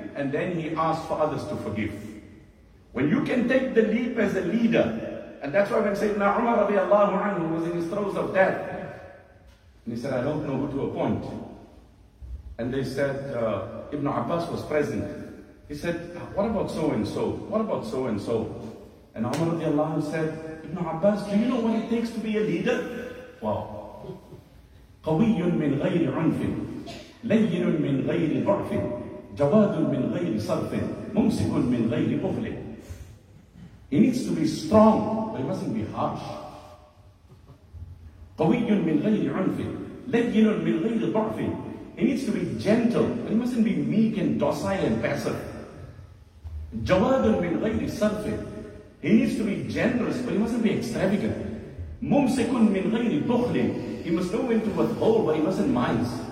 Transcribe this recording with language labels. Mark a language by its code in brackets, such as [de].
[en] And then he asked for others to forgive. When you can take the leap as a leader, and that's why when Sayyidina Umar radiallahu anhu was in his throes of death, and he said, I don't know who to appoint. And they said, Ibn Abbas was present. He said, what about so and so? What about so and so? And Umar radiallahu anhu said, Ibn Abbas, do you know what it takes to be a leader? Wow. [ar] قوي من غير عنف لين من غير ضعف جواد من غير صرف ممسك من غير بخل. [en] He needs to be strong, but he mustn't be harsh. [ar] قوي من غير عنف لين من غير ضعف. [en] He needs to be gentle, but he mustn't be meek and docile and passive. [ar] جواد من غير صرف. [en] He needs to be generous, but he mustn't be extravagant. [ar] Mumsikun min ghayri bukhlin. [en] He must know when to withhold, but he mustn't mind.